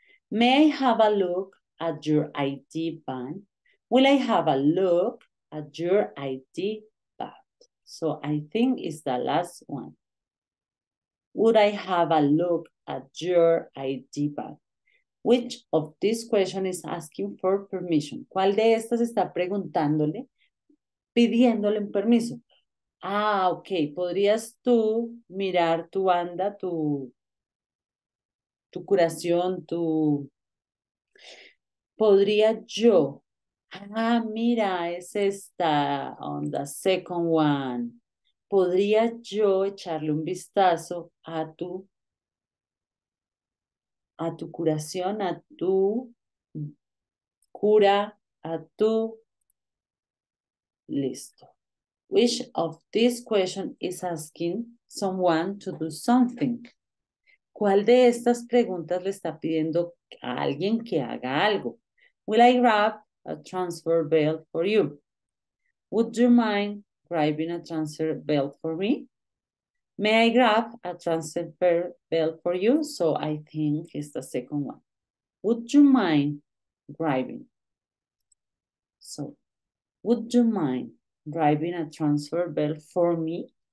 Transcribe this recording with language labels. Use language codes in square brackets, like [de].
[en] May I have a look at your ID band? Will I have a look at your ID band? So I think it's the last one. Would I have a look at your ID band? Which of these questions is asking for permission? [es] ¿Cuál de estas está preguntándole, pidiéndole un permiso? Ah, ok. ¿Podrías tú mirar tu banda, tu curación, tu... ¿Podría yo? Ah, mira, es esta, [en] on the second one. [es] ¿Podría yo echarle un vistazo a tu curación, a tu cura, a tu... Listo. [en] Which of these questions is asking someone to do something? [es] ¿Cuál de estas preguntas le está pidiendo a alguien que haga algo? [en] Will I grab a transfer belt for you? Would you mind grabbing a transfer belt for me? May I grab a transfer belt for you? So I think it's the second one. Would you mind grabbing? So, would you mind grabbing a transfer belt for me?